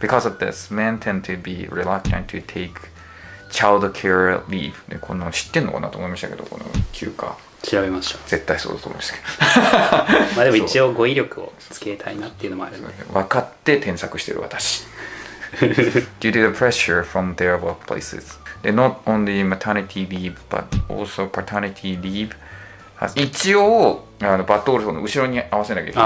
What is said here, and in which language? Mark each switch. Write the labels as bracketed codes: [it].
[en] Because of this, men tend to be reluctant to take child care leave. [ja] で、こんなの知ってんのかなと思いましたけど、この休暇。調べました。絶対そうだと思いましたけど。まあでも一応語彙力をつけたいなっていうのもあるね。分かって添削してる私。 [en] Due to the pressure from their workplaces, they not only maternity leave but also paternity leave has [ja] 一応あのバトルの後ろに合わせなきゃいけない。